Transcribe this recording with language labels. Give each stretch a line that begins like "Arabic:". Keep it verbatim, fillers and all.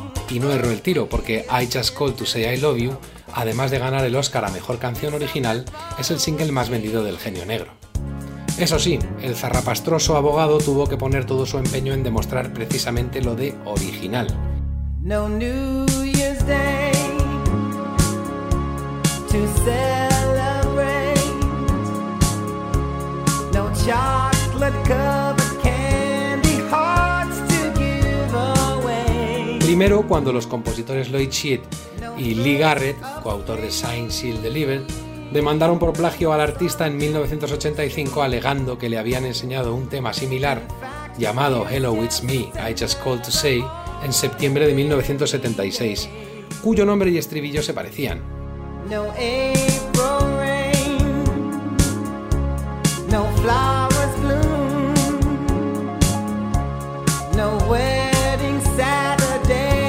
Spanish: Y no erró el tiro, porque I Just Called to Say I Love You, además de ganar el Oscar a Mejor Canción Original, es el single más vendido del genio negro. Eso sí, el zarrapastroso abogado tuvo que poner todo su empeño en demostrar precisamente lo de original.
English: No New Year's Day to celebrate, no chocolate covered candy hearts to give away.
Spanish: Primero, cuando los compositores Lloyd Sheet y Lee Garrett, coautor de Sign, Seal, Deliver, demandaron por plagio al artista en mil novecientos ochenta y cinco alegando que le habían enseñado un tema similar llamado Hello It's Me, I Just Called to Say, en septiembre de mil novecientos setenta y seis, cuyo nombre y estribillo se parecían.
English: No April rain, no flowers bloom, no wedding Saturday.